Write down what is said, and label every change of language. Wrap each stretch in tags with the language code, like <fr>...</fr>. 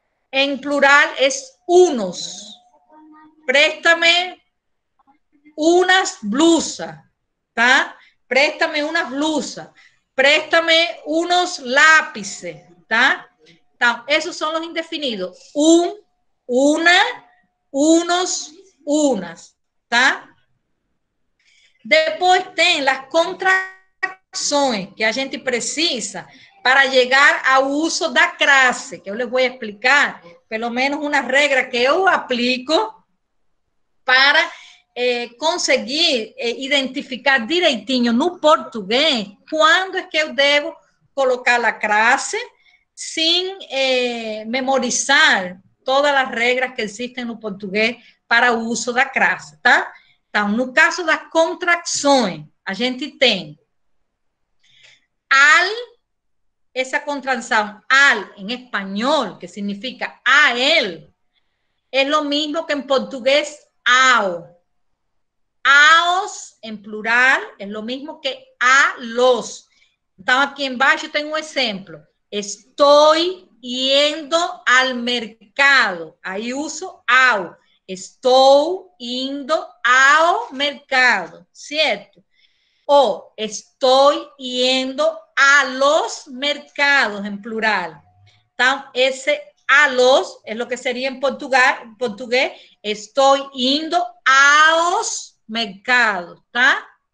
<es>En plural es unos, préstame unas blusas, ¿tá? Préstame unas blusas, préstame unos lápices, ¿tá? Esos son los indefinidos, un, una, unos, unas, ¿tá? Después ten las contracciones que a gente precisa para llegar a uso de la crase, que yo les voy a explicar, pelo menos una regla que yo aplico</es> <pt>para conseguir identificar direitinho no português quando é que eu devo colocar a crase sem memorizar todas as regras que existem no português para o uso da crase, tá? Então, no caso das contrações, a gente tem al, essa contração al em espanhol, que significa a él, é o mesmo que em português ao.</pt> <es>Aos, en plural, es lo mismo que a los. Entonces, aquí embaixo tengo un ejemplo. Estoy yendo al mercado. Ahí uso ao.</es> <pt>Estou indo ao mercado,</pt> <es>¿cierto? O estoy yendo a los mercados, en plural. Entonces, ese a los es lo que sería en Portugal, en portugués.</es> <pt>Estoy indo aos mercado, ¿tá?</pt>